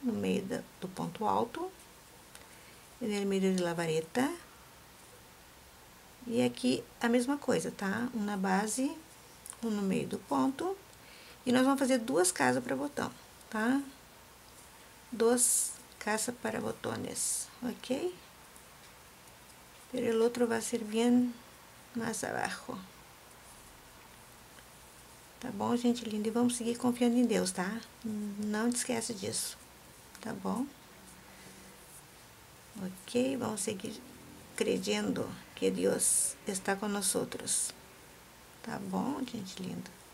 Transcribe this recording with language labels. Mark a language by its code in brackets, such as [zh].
[pt] No meio do ponto alto. No meio da vareta. E aqui a mesma coisa, tá? Um na base, um no meio do ponto. E nós vamos fazer duas casas para botão, tá? Duas caças para botões, ok? [es] Pero el otro va a ser bien más abajo. [pt] Tá bom, gente linda? E vamos seguir confiando em Deus, tá? Não te esquece disso, tá bom? Ok, vamos seguir crendo que Deus está com nós. Tá bom, gente linda?